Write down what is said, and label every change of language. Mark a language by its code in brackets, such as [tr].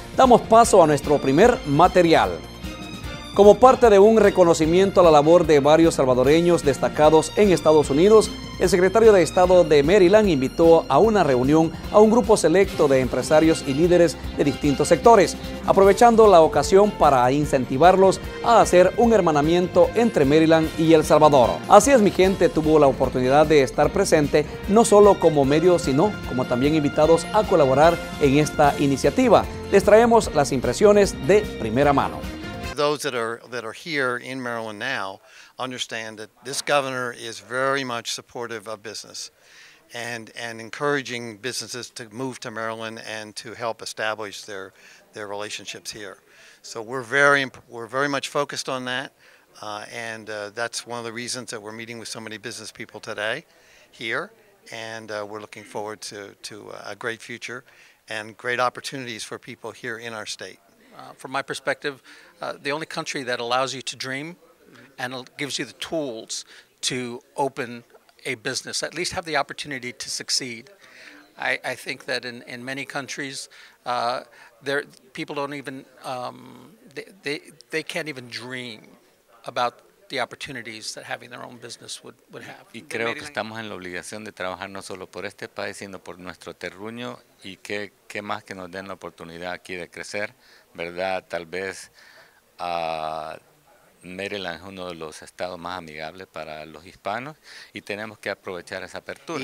[es] Damos paso a nuestro primer material. Como parte de un reconocimiento a la labor de varios salvadoreños destacados en Estados Unidos, el secretario de Estado de Maryland invitó a una reunión a un grupo selecto de empresarios y líderes de distintos sectores, aprovechando la ocasión para incentivarlos a hacer un hermanamiento entre Maryland y El Salvador. Así es mi gente, tuvo la oportunidad de estar presente no solo como medio, sino como también invitados a colaborar en esta iniciativa. Les traemos las impresiones de primera mano. [en] Those that are here in Maryland now understand that this governor is very much supportive of business and encouraging businesses to move to Maryland and to help establish their relationships here. So we're very much focused on that, and that's one of the reasons that we're meeting with so many business people today here, and we're looking forward to a great future and great opportunities for people here in our state. From my perspective, the only country that allows you to dream and gives you the tools to open a business, at least have the opportunity to succeed. I think that in many countries, people can't even dream about the opportunities that having their own business would have. [es] Y creo que estamos en la obligación de trabajar no solo por este país, sino por nuestro terruño, y qué más que nos den la oportunidad aquí de crecer. Verdad, tal vez Maryland es uno de los estados más amigables para los hispanos y tenemos que aprovechar esa apertura.